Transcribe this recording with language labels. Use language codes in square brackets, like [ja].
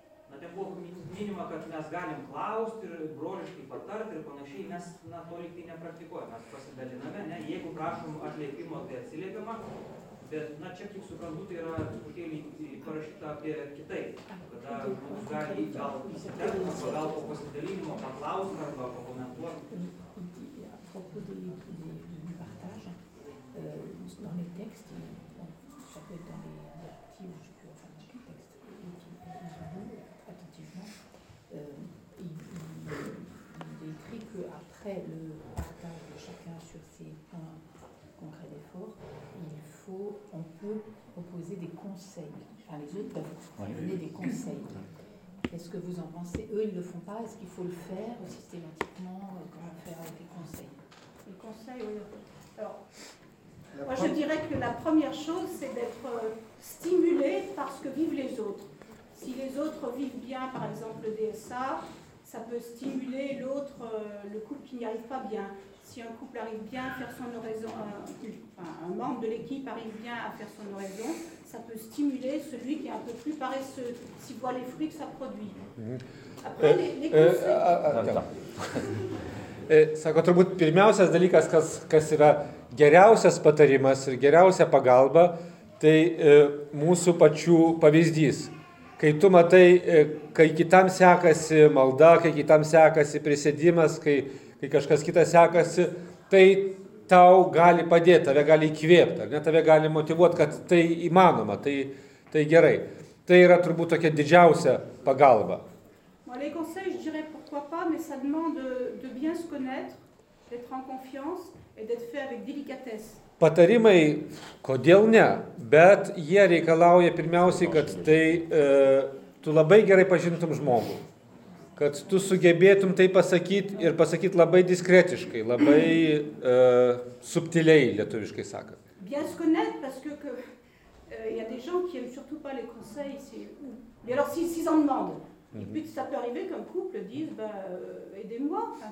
[lt] Na, ten buvo minima, kad mes galim klausti ir broliškai patarti ir panašiai, mes na, to lygtai nepraktikuojame, mes pasidaliname, ne? Jeigu prašom atliepimo, tai atsiliepiama, bet na, čia, kiek suprantu, tai yra parašyta apie kitai, kada mums gali gal įsitekti, pagal po pasidalinimo paklausti arba pakomentuoti. [fr] Dans les textes, ça peut être dans les parties où je peux enfin dans les textes, attentivement, il est écrit qu'après le partage de chacun sur ses points concrets défauts, faut, on peut proposer des conseils. Enfin, les autres peuvent donner des conseils. Qu'est-ce que vous en pensez? Eux, ils ne le font pas. Est-ce qu'il faut le faire systématiquement? Comment faire avec les conseils? Les conseils, oui. Alors, moi, je dirais que la première chose, c'est d'être stimulé par ce que vivent les autres. Si les autres vivent bien, par exemple, le DSA, ça peut stimuler l'autre, le couple qui n'y arrive pas bien. Si un couple arrive bien à faire son oraison, un membre de l'équipe arrive bien à faire son oraison, ça peut stimuler celui qui est un peu plus paresseux, s'il voit les fruits que ça produit. Après, [lt] Turbūt pirmiausias dalykas, kas yra geriausias patarimas ir geriausia pagalba, tai mūsų pačių pavyzdys. Kai tu matai, kai kitam sekasi malda, kai kitam sekasi prisėdimas, kai kažkas kitas sekasi, tai tau gali padėti, tave gali įkvėpti, ne, tave gali motyvuoti, kad tai įmanoma, tai gerai. Tai yra turbūt tokia didžiausia pagalba. [fr] Les conseils, je dirais pourquoi pas, mais ça demande de bien se connaître, d'être en confiance et d'être fait avec délicatesse. [lt] Patarimai, kodėl ne, bet jie reikalauja pirmiausiai, kad tai tu labai gerai pažintum žmogų, kad tu sugebėtum tai pasakyti ir pasakyti labai diskretiškai, labai subtiliai, lietuviškai sakant. [fr] Bien se connaître parce que il y a des gens qui aiment surtout pas les conseils ici. Mais alors s'ils en demandent. Mm-hmm. Et puis ça peut arriver qu'un couple dise aidez-moi.